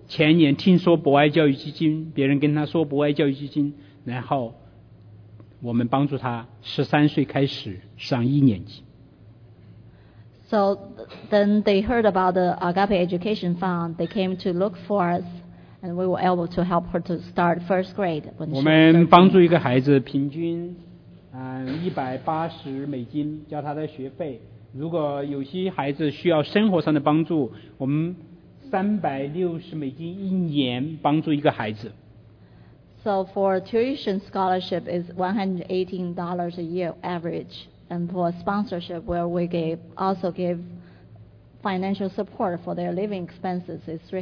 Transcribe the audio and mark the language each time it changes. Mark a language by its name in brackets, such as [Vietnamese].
[Chinese] 前年听说博爱教育基金，别人跟她说博爱教育基金，然后。我们帮助他13岁开始上一年级。 [English] So then they heard about the Agape Education Fund. They came to look for us, and we were able to help her to start first grade. [Chinese] 我们帮助一个孩子平均180美金交他的学费。如果有些孩子需要生活上的帮助，我们360美金一年帮助一个孩子。 [English] So for tuition scholarship is $118 a year average, and for sponsorship where we gave also give financial support for their living expenses is